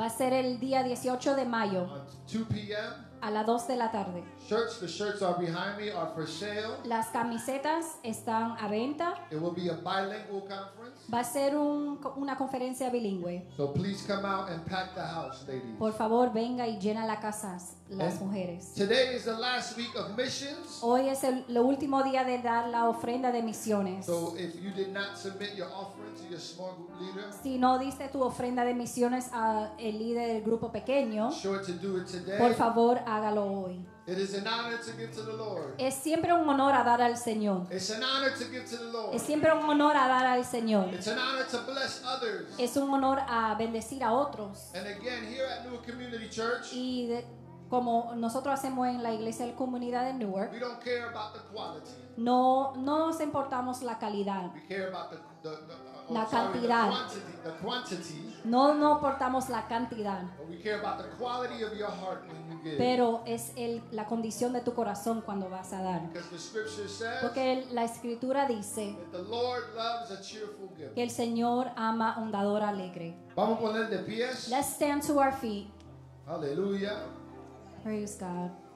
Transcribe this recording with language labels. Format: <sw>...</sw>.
<es>Va a ser el día 18 de mayo.</es> <en>2 p.m.</en> <es>A las 2 de la tarde.</es> <en>Shirts, the shirts are behind me, are for sale.</en> <es>Las camisetas están a venta.</es> <en>It will be a bilingual conference.</en> <es>Va a ser una conferencia bilingüe.</es> <en>So please come out and pack the house, ladies.</en> <es>Por favor, venga y llena la casa, las</es> <en>and</en> <es>mujeres.</es> <en>Today is the last week of missions.</en> <es>Hoy es el último día de dar la ofrenda de misiones.</es> <en>So if you did not submit your offering to your small group leader,</en> <es>si no diste tu ofrenda de misiones a el líder del grupo pequeño,</es> <en>sure to do it today.</en> <es>Por favor, hágalo hoy.</es> <en>It is an honor to give to the Lord.</en> <es>Es siempre un honor a dar al Señor.</es> <en>It's an honor to give to the Lord.</en> <es>Es siempre un honor a dar al Señor.</es> <en>It's an honor to bless others.</en> <es>Es un honor a bendecir a otros.</es> <en>And again, here at Newark Community Church,</en> <es>y como nosotros hacemos en la iglesia de la comunidad de Newark,</es> <en>we don't care about the quality.</en> <es>No nos importamos la calidad.</es> <en>We care about</en> <es>la cantidad.</es> <en>The quantity,</en> <es>no importamos la cantidad.</es> <en>We care about the quality of your heart when you give.</en> <es>Pero es la condición de tu corazón cuando vas a dar.</es> <en>Because the scripture says,</en> <es>porque la escritura dice</es> <en>that the Lord loves a cheerful giver.</en> <es>Que el Señor ama un dador alegre. Vamos a poner de pie.</es> <en>Let's stand to our feet.</en> <es>Aleluya.</es> <en>Praise God.</en>